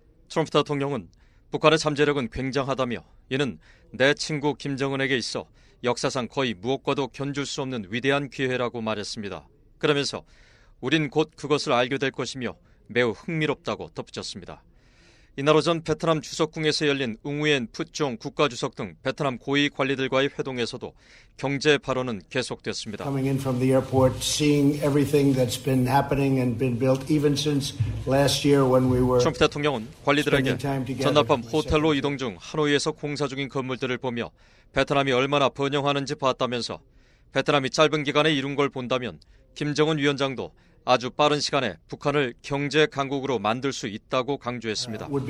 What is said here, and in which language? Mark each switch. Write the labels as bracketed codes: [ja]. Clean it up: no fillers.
[ko] 트럼프 대통령은 북한의 잠재력은 굉장하다며 이는 내 친구 김정은에게 있어 역사상 거의 무엇과도 견줄 수 없는 위대한 기회라고 말했습니다. 그러면서 우린 곧 그것을 알게 될 것이며 매우 흥미롭다고 덧붙였습니다. 이날 오전 베트남 주석궁에서 열린 웅우엔 푸종 국가주석 등 베트남 고위 관리들과의 회동에서도 경제 발언은 계속됐습니다. [en] Coming in from the airport, seeing everything that's been happening and been built even since last year when we were. [ko] 트럼프 대통령은 관리들에게 전날 밤 호텔로 이동 중 하노이에서 공사 중인 건물들을 보며 베트남이 얼마나 번영하는지 봤다면서 베트남이 짧은 기간에 이룬 걸 본다면 김정은 위원장도 아주 빠른 시간에 북한을 경제 강국으로 만들 수 있다고 강조했습니다.